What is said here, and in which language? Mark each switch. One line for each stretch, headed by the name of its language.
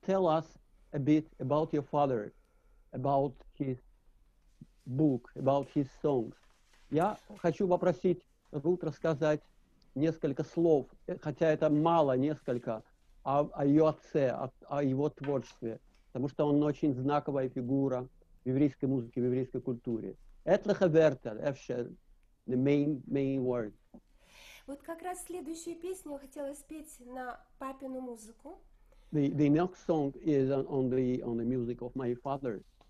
English: Tell us a bit about your father, about his book, about his songs.
Russian: Я хочу попросить Рут рассказать несколько слов, хотя это мало, несколько, о ее отце, о его творчестве, потому что он очень знаковая фигура в еврейской музыке, в еврейской культуре.
Yiddish: Этлеха вертер, эфшер,
English: the main word.
Russian: Вот как раз следующую песню хотела спеть на папину музыку.
English: The next song is on the music of my father.